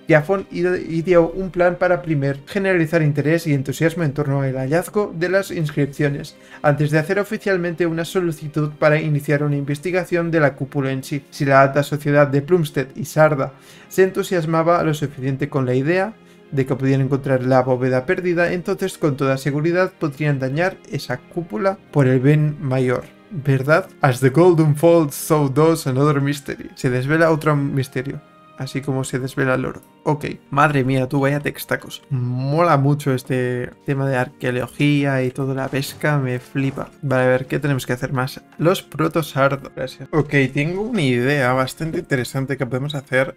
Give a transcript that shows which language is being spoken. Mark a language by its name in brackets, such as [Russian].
[Spanish] Tiafon ideó un plan para primero generalizar interés y entusiasmo en torno al hallazgo de las inscripciones, antes de hacer oficialmente una solicitud para iniciar una investigación de la cúpula en sí. Si la alta sociedad de Plumstead y Sarda se entusiasmaba lo suficiente con la idea de que podían encontrar la bóveda perdida, entonces con toda seguridad podrían dañar esa cúpula por el bien mayor, ¿verdad? [English] As the golden falls, so does another mystery. [Spanish] Se desvela otro misterio, así como se desvela el oro. Ok, madre mía, tú vaya textacos. Mola mucho este tema de arqueología y toda la pesca, me flipa. Vale, a ver, ¿qué tenemos que hacer más? Los proto-Sarda. Gracias. Ok, tengo una idea bastante interesante que podemos hacer.